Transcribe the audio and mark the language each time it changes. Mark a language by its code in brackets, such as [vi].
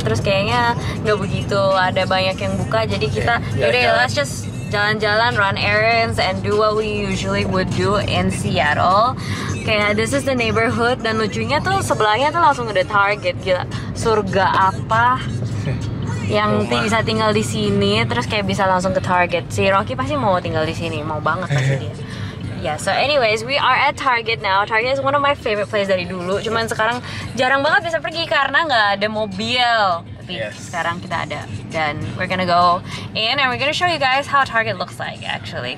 [id] Terus kayaknya gak begitu ada banyak yang buka. Jadi kita, [en] let's just jalan-jalan, run errands, and do what we usually would do in Seattle. [id] Kayak [en] this is the neighborhood, [id] dan lucunya tuh sebelahnya tuh langsung ada Target. Gila, surga apa yang bisa tinggal di sini, terus kayak bisa langsung ke Target. Si Rocky pasti mau tinggal di sini, mau banget pasti dia. [en] Yeah, so anyways, we are at Target now. Target is one of my favorite place [id] dari dulu. Cuman sekarang jarang banget bisa pergi karena nggak ada mobil. Tapi sekarang kita ada. [en] Dan we're gonna go in and we're gonna show you guys how Target looks like actually.